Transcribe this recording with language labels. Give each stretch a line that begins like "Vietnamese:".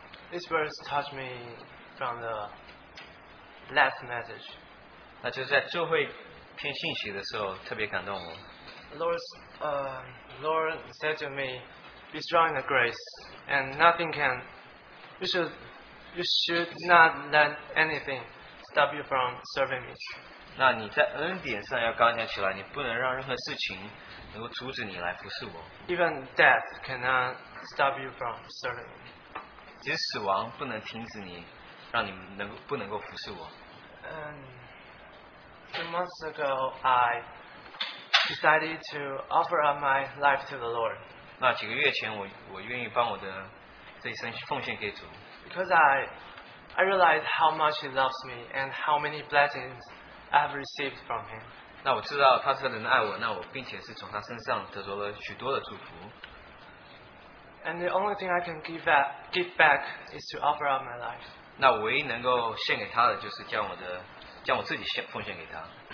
English: This verse touched me from the last message.
Chinese: 那就是在最后一篇信息的时候特别感动我。
English: Lord said to me, "Be strong in the grace, and nothing can. You should not let anything stop you from serving me."
Chinese: 那你在恩典上要刚强起来，你不能让任何事情能够阻止你来服侍我。
English: Even death cannot stop you from serving me.
Chinese: 其实死亡不能停止你，让你能不能够服侍我。
English: Two months ago, I decided to offer up my life to the Lord.
Chinese: 那几个月前我愿意帮我的这一生奉献给主。
English: Because I realized how much He loves me and how many blessings I have received from Him.
Chinese: 那我知道他是很爱我，那我并且是从他身上得着了许多的祝福。
English: And the only thing I can give back is to offer up my life.
Chinese: 那唯一能够献给他的就是将我自己献奉献给他。